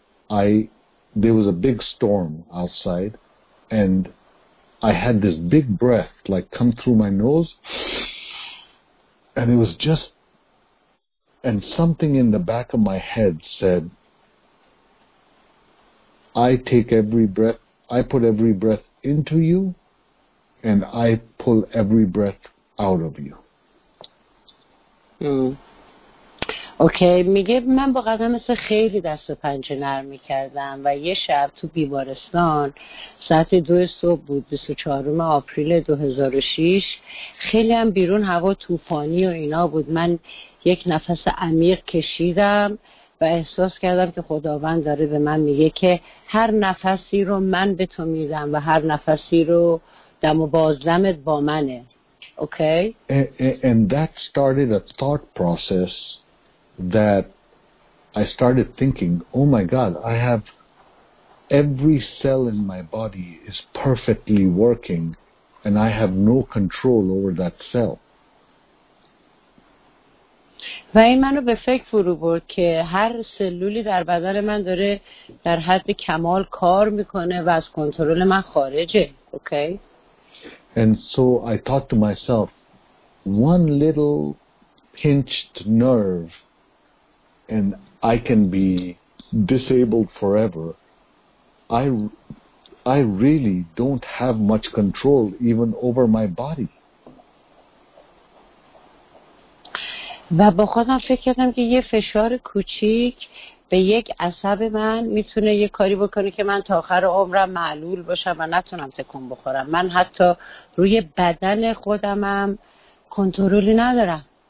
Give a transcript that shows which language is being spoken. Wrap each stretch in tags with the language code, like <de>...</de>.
<en>There was a big storm outside, and I had this big breath, like, come through my nose, and it was just, and something in the back of my head said, I put every breath into you, and I pull every breath out of you.</en> <fa>Okay, میگه من با قدم مثل خیلی دست و پنجه نرم میکردم و یه شب تو بیمارستان ساعت 2 صبح بود 24 آپریل 2006 خیلی هم بیرون هوا طوفانی و اینا بود من یک نفس عمیق کشیدم و احساس کردم که خداوند داره به من میگه که هر نفسی رو من به تو میدم و هر نفسی رو دم و بازدمت با منه okay?</fa> <en>and that started a thought process that I started thinking oh my god I have every cell in my body is perfectly working and I have no control over that cell</en> <fa>و این منو به فکر فرو برد که هر سلولی در بدن من داره در حد کمال کار میکنه و از کنترل من خارجه okay?</fa> <en>And so I thought to myself, one little pinched nerve and I can be disabled forever. I really don't have much control even over my body.</en> <fa>و با خودم فکر کردم که یه فشار کوچیک به یک عصب من میتونه یه کاری بکنه که من تا آخر عمرم معلول باشم و نتونم تکون بخورم. من حتی روی بدن خودم هم کنترلی ندارم.</fa>